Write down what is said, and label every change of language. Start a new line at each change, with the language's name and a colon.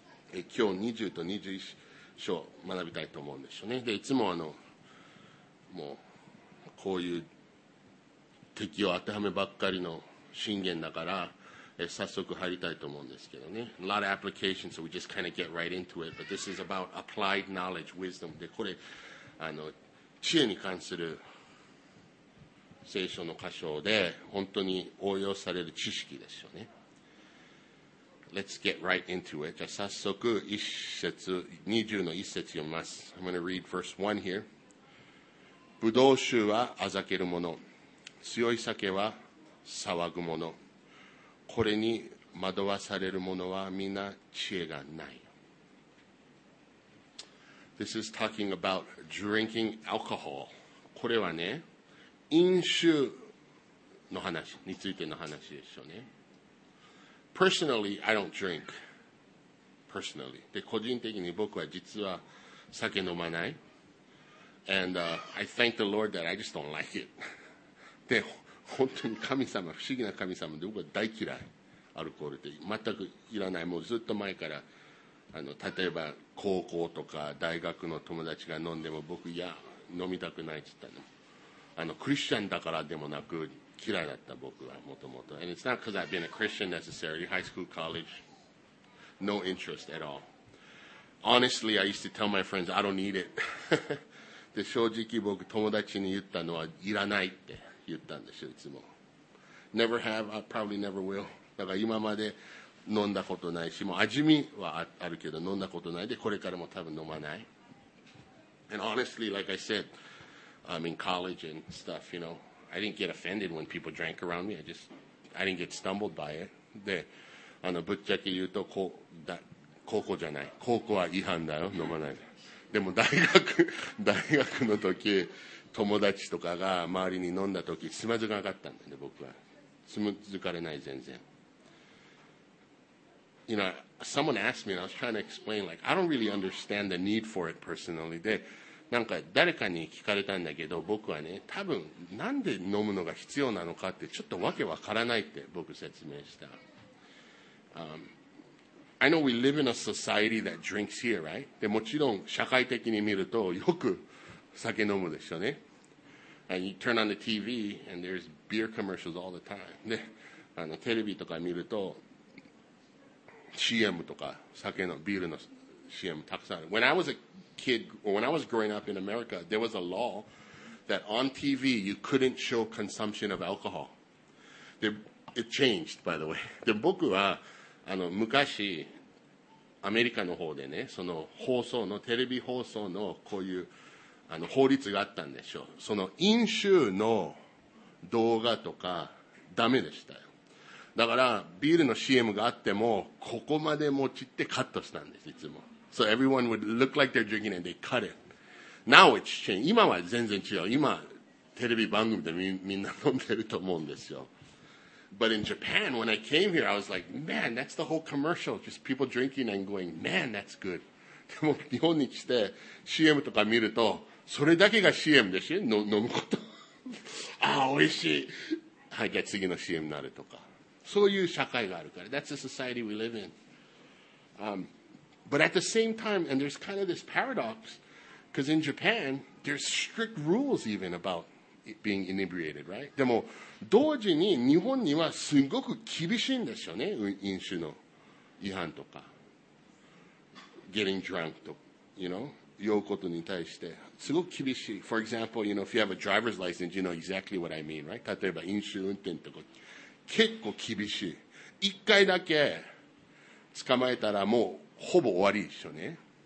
Japanese: 今日20と21章を学びたいと思うんですよね。でいつももうこういう敵を当てはめばっかりの箴言だから早速入りたいと思うんですけどね。
English: A lot of application, so we just kind of get right into it. But this is about applied knowledge, wisdom.
Japanese: で、これ知恵に関する聖書の箇所で本当に応用される知識ですよね。
English: Let's get right into it.
Japanese: じゃあ早速一節、20の一節読みます。
English: I'm going to read verse 1 here.
Japanese: ブドウ酒はあざけるもの、強い酒は騒ぐもの、これに惑わされる者はみんな知恵がない。
English: This is talking about drinking alcohol.
Japanese: これはね、飲酒の話についての話でしょうね。
English: Personally, I don't drink. Personally.
Japanese: で、個人的に僕は実は酒飲まない。
English: And、I thank the Lord that I just don't like it.
Japanese: で、本当に神様、不思議な神様で僕は大嫌い。アルコールって全くいらない。もうずっと前から例えば高校とか大学の友達が飲んでも僕いや飲みたくないって言ったの。クリスチャンだからでもなく嫌いだった僕はもともと。
English: And it's not because I've been a Christian necessarily. High school, college, no interest at all. Honestly, I used to tell my friends I don't need it.
Japanese: で正直僕友達に言ったのはいらないって言ったんですよ。いつも
English: Never have, I probably never will。
Japanese: だから今まで飲んだことないし、もう味見はあるけど飲んだことないで、これからも多分飲まない。
English: And honestly, like I said, I'm in college and stuff, you know, I didn't get offended when people drank around me. I didn't get stumbled by it.
Japanese: で、ぶっちゃけ言うと高校じゃない。高校は違反だよ、飲まないで。でも大学の時、友達とかが周りに飲んだ時、つまずかなかったんだよね、僕は。つまずかれない、全然。
English: You know, someone asked me, and I was trying to explain, like, I don't really understand the need for it personally.
Japanese: で、なんか誰かに聞かれたんだけど、僕はね、多分、なんで飲むのが必要なのかって、ちょっとわけわからないって僕説明した。
English: I know we live in a society that drinks here, right?
Japanese: で、もちろん社会的に見ると、よく酒飲むでしょうね。
English: And you turn on the TV, and there's beer commercials all the time.
Japanese: で、テレビとか見ると、CM とか酒のビールの CM たくさんある。
English: When I was a kid, or when I was growing up in America, there was a law that on TV you couldn't show consumption of alcohol. It changed, by the way.
Japanese: で僕は昔アメリカの方でね、その放送のテレビ放送のこういう法律があったんでしょう。その飲酒の動画とかダメでしたよ。だからビールの CM があってもここまで持ちってカットしたんです、いつも。
English: So everyone would look like they're drinking and they cut it. Now it's changed.
Japanese: 今は全然違う。今テレビ番組でみんな飲んでると思うんですよ。
English: But in Japan, when I came here, I was like, man, that's the whole commercial. Just people drinking and going, man, that's good.
Japanese: でも日本に来て CM とか見るとそれだけが CM でしょ、飲むことああ、美味しい。はい、じゃあ次の CM になるとか、そういう社会があるから。
English: That's the society we live in. But at the same time, and there's kind of this paradox, because in Japan, there's strict rules even about it being inebriated, right?
Japanese: でも、同時に日本にはすごく厳しいんですよね。飲酒の違反とか。
English: Getting drunk
Japanese: と、
English: you know,
Japanese: 酔うことに対して。すごく厳しい。
English: For example, you know, if you have a driver's license, you know exactly what I mean, right?
Japanese: 例えば飲酒運転とか。結構厳しい。一回だけ捕まえたらもうほぼ終わりでしょうね。